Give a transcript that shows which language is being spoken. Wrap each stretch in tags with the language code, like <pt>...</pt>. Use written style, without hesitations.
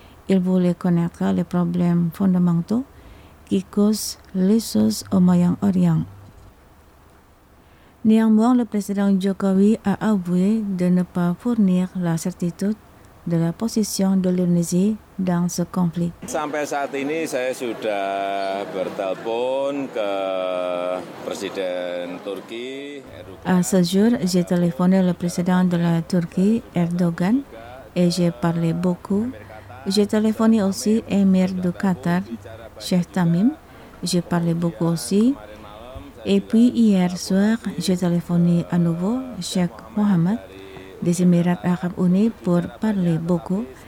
<fr>Il voulait connaître les problèmes fondamentaux qui causent les choses au Moyen-Orient. Néanmoins, le président Jokowi a avoué de ne pas fournir la certitude de la position de l'Indonésie dans ce conflit.</fr> <id>Sampai saat ini saya sudah bertelpon ke Presiden Turki.</id> <fr>À ce jour, j'ai téléphoné le président de la Turquie, Erdogan, et j'ai parlé beaucoup. J'ai téléphoné aussi émir du Qatar, Sheikh Tamim. J'ai parlé beaucoup aussi. Et puis hier soir, j'ai téléphoné à nouveau Sheikh Mohammed des Émirats Arabes Unis pour parler beaucoup.</fr>